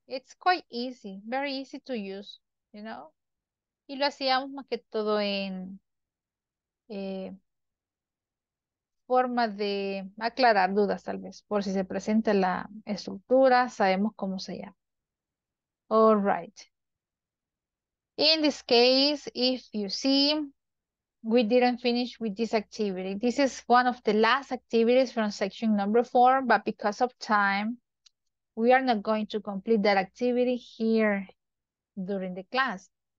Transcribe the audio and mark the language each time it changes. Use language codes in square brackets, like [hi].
[en] It's quite easy, very easy to use, you know? [es] Y lo hacíamos más que todo en forma de aclarar dudas, tal vez. Por si se presenta la estructura, sabemos cómo se llama. [en] All right. In this case, if you see, we didn't finish with this activity. This is one of the last activities from section number 4, but because of time, we are not going to complete that activity here during the class.